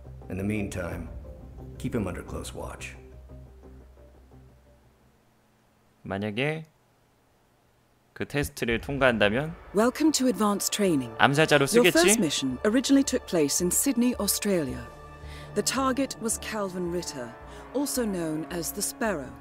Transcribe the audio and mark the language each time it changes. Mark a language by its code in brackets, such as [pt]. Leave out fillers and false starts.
[en] In the meantime, keep him under close watch. [ko] 만약에 그 테스트를 통과한다면 [en] Welcome to advanced training. [ko] 암살자로 쓰겠지. [en] Your first mission originally took place in Sydney, Australia. The target was Calvin Ritter. Also known as the Sparrow.